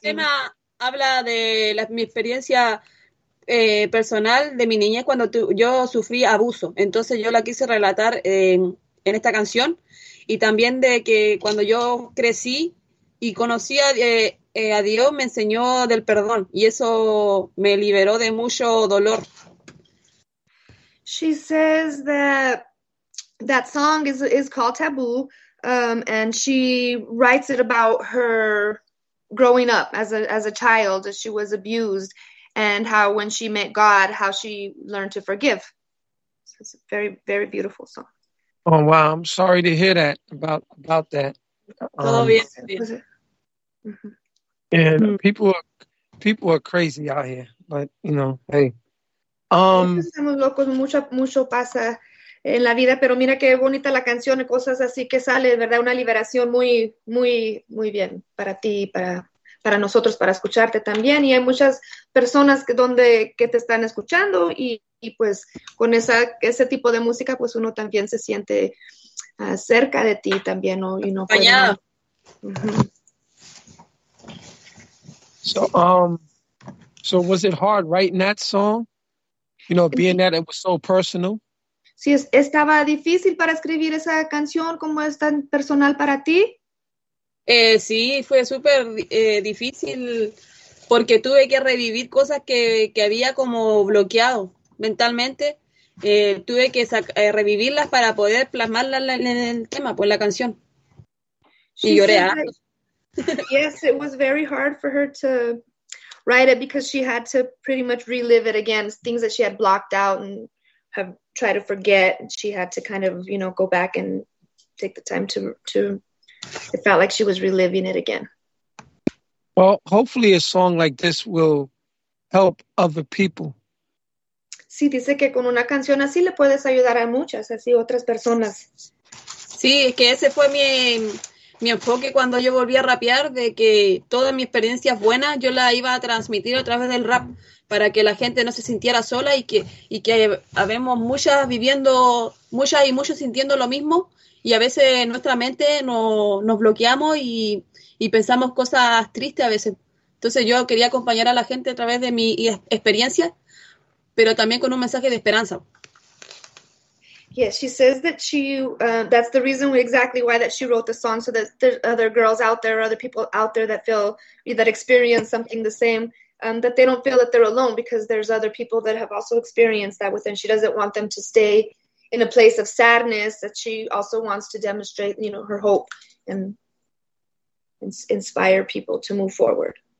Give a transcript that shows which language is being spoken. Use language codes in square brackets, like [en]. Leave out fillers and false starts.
[es] Tema habla de mi experiencia personal de mi niñez cuando yo sufrí abuso. Entonces yo la quise relatar en esta canción, y también de que cuando yo crecí y conocí a Dios, me enseñó del perdón, y eso me liberó de mucho dolor. [en] She says that song is called Taboo, and she writes it about her growing up as a child, as she was abused, and how when she met God, how she learned to forgive. So it's a very, very beautiful song. Oh, wow. I'm sorry to hear that about that. Yeah. Mm-hmm. people are crazy out here, but you know, hey. [es] Estamos locos, mucho pasa en la vida, pero mira qué bonita la canción, cosas así que sale, ¿verdad? Una liberación muy, muy, muy bien para ti, para nosotros, para escucharte también. Y hay muchas personas que te están escuchando y pues con ese tipo de música, pues uno también se siente cerca de ti también, ¿no? Y no puede... [en] So was it hard writing that song? You know, being that it was so personal? [es] si es, estaba difícil para escribir esa canción, ¿cómo es tan personal para ti? Sí, fue súper difícil porque tuve que revivir cosas que había como bloqueado mentalmente. Tuve que revivirlas para poder plasmarla en el tema, pues la canción. She y lloré. [en] Yes, it was very hard for her to write it because she had to pretty much relive it again, things that she had blocked out and have tried to forget. She had to kind of, you know, go back and take the time to it felt like she was reliving it again. Well, hopefully a song like this will help other people. [es] Sí, dice que con una canción así le puedes ayudar a muchas, así otras personas. Sí, es que ese fue mi enfoque cuando yo volví a rapear, de que todas mis experiencias buenas yo las iba a transmitir a través del rap para que la gente no se sintiera sola y que habemos muchas viviendo, muchas y muchos sintiendo lo mismo, y a veces nuestra mente nos bloqueamos y pensamos cosas tristes a veces. Entonces yo quería acompañar a la gente a través de mi experiencia, pero también con un mensaje de esperanza. [en] Yes, she says that she, that's the reason exactly why that she wrote the song, so that there's other girls out there, other people out there that feel, that experience something the same, that they don't feel that they're alone, because there's other people that have also experienced that with them. She doesn't want them to stay in a place of sadness, that she also wants to demonstrate, you know, her hope and inspire people to move forward.